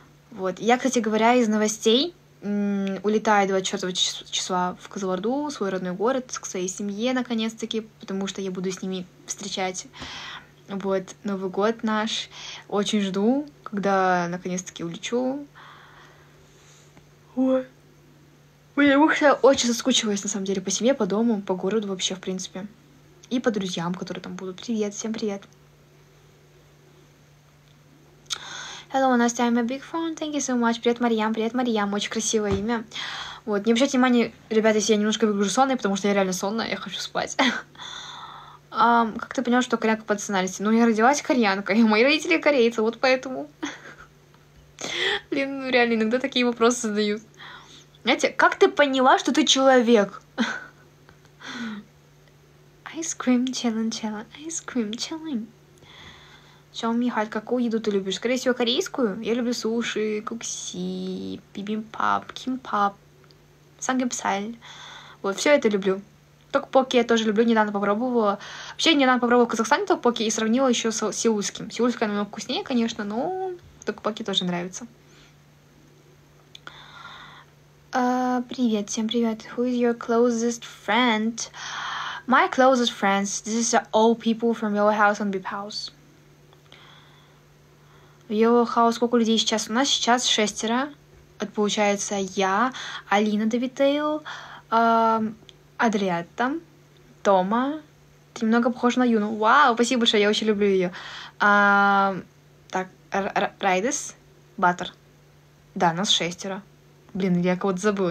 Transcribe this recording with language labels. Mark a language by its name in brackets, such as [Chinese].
[Russian] Вот, я, кстати говоря, из новостей улетаю 24 числа в Кызылорду, в свой родной город, к своей семье, наконец-таки, потому что я буду с ними встречать вот Новый год наш. Очень жду, когда наконец-таки улечу. Ой, я очень соскучилась, на самом деле, по семье, по дому, по городу вообще, в принципе. И по друзьям, которые там будут. Привет, всем привет. [English] Hello, Anastasia, I'm a big fan, thank you so much. [Russian] Привет, Марьям, очень красивое имя. Вот, не обращайте внимания, ребята, если я немножко выгляжу сонной, потому что я реально сонная, я хочу спать. Как ты поняла, что кореянка по национальности? Ну, я родилась кореянкой, мои родители корейцы, вот поэтому... Блин, ну реально, иногда такие вопросы задают. Знаете, как ты поняла, что ты человек? [English] Ice cream, chillin', chillin', ice cream, chillin'. [Russian] Чао, Михаль, какую еду ты любишь? Скорее всего, корейскую. Я люблю суши, кукси, бибимбап, кимбап, сангьопсаль. Вот, все это люблю. Токпоки я тоже люблю, недавно попробовала. Вообще, недавно попробовала в Казахстане токпоки и сравнила еще с сеульским. Сеульское намного вкуснее, конечно, но... Только Паки тоже нравится. Привет, всем привет. [English] Who is your closest friend? My closest friends, this is all people from your house and beep house. [Russian] В его хаос сколько людей сейчас? У нас сейчас шестеро. Это получается я, Алина Девитейл, Адриэта, Тома. Ты немного похожа на Юну. Вау, спасибо большое, я очень люблю ее. Так, Райдес, Баттер. Да, нас шестеро. Блин, я кого-то забыла.